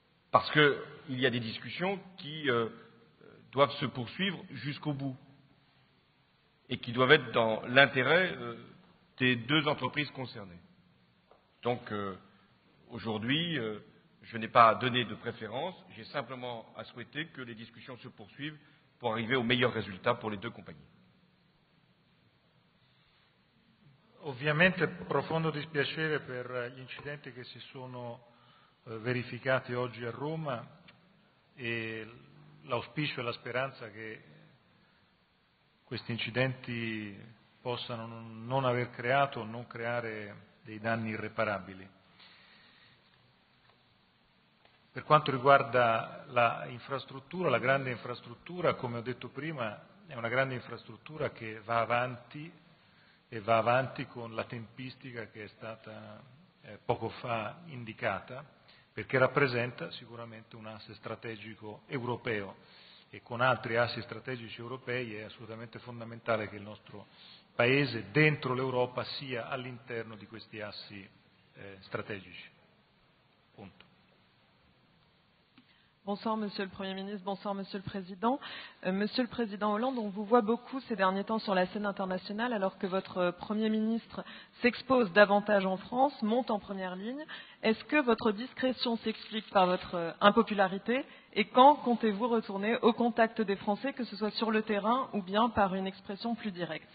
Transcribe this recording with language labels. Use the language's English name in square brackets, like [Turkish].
[French] Parce qu'il y a des discussions qui doivent se poursuivre jusqu'au bout et qui doivent être dans l'intérêt des deux entreprises concernées. Donc, aujourd'hui, je n'ai pas donné de préférence, j'ai simplement à souhaiter que les discussions se poursuivent pour arriver au meilleur résultat pour les deux compagnies. [Italian] Ovviamente profondo dispiacere per gli incidenti che si sono verificati oggi a Roma e l'auspicio e la speranza che questi incidenti possano non aver creato o non creare dei danni irreparabili. Per quanto riguarda la infrastruttura, la grande infrastruttura, come ho detto prima, è una grande infrastruttura che va avanti e va avanti con la tempistica che è stata poco fa indicata, perché rappresenta sicuramente un asse strategico europeo e con altri assi strategici europei è assolutamente fondamentale che il nostro paese dentro l'Europa sia all'interno di questi assi strategici. Punto. [French] Bonsoir Monsieur le Premier ministre, bonsoir Monsieur le Président. Monsieur le Président Hollande, on vous voit beaucoup ces derniers temps sur la scène internationale alors que votre Premier ministre s'expose davantage en France, monte en première ligne. Est-ce que votre discrétion s'explique par votre impopularité et quand comptez-vous retourner au contact des Français, que ce soit sur le terrain ou bien par une expression plus directe?